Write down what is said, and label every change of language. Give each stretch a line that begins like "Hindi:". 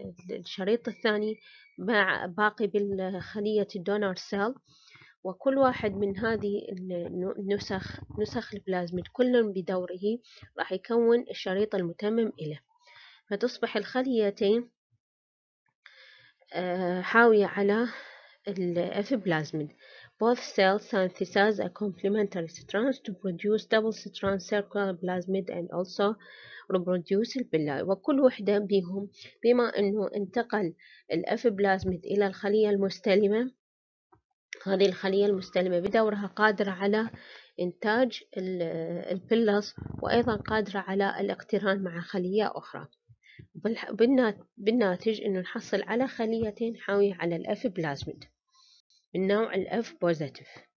Arabic: الشريط الثاني باقي بالخلية الدونر سيل، وكل واحد من هذه النسخ، نسخ البلازميد كلهم بدوره راح يكون الشريط المتمم إليه، فتصبح الخليتين حاوية على الاف بلازميد.
English: Both cells synthesize a complementary strand to produce double strand circular plasmid and also reproduce the villi.
Arabic: وكل وحدة بهم، بما أنه انتقل الأف بلازميد إلى الخلية المستلمة، هذه الخلية المستلمة بدورها قادرة على إنتاج البلس، وأيضا قادرة على الاقتران مع خلية أخرى، بالناتج أنه نحصل على خليتين حاوية على الأف بلازميد من نوع الاف بوزيتيف.